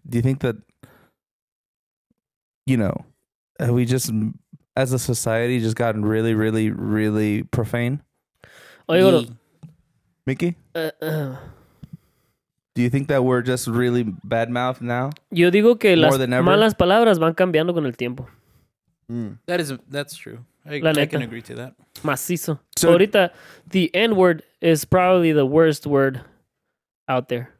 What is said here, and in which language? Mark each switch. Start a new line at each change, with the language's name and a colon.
English: Do you think that, you know, have we just, as a society, just gotten really, really, really profane?
Spanish: Oye, bueno. Mickey?
English: Do you think that we're just really bad-mouthed now?
Spanish: Yo digo que more las malas palabras van cambiando con el tiempo.
English: That's true. I can agree to that.
Spanish: Macizo.
English: So ahorita, the N-word is probably the worst word out there.